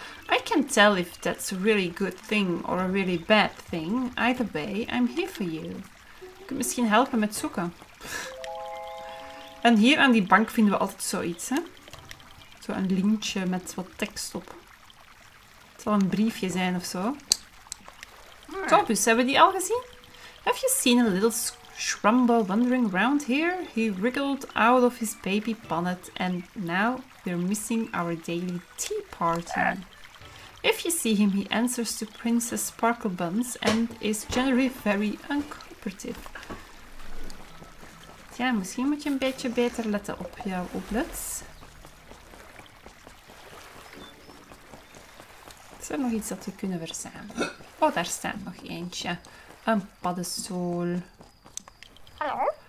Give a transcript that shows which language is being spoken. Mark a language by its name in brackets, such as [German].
[English] I can't tell if that's a really good thing or a really bad thing. Either way, I'm here for you. [Dutch] Je kunt misschien helpen met zoeken. En hier aan die bank vinden we altijd zoiets, hè? Zo een lintje met wat tekst op. Het zal een briefje zijn of zo. Tobus, hebben we die al gezien? [English] Have you seen a little shrumbo wandering around here? He wriggled out of his baby bonnet and now we're missing our daily tea party. If you see him, he answers to Princess Sparklebuns and is generally very uncooperative. [Dutch] Tja, misschien moet je een beetje beter letten op jouw oplets. Is er nog iets dat we kunnen verzamelen? Oh, daar staat nog eentje. Een paddenstoel. Hallo?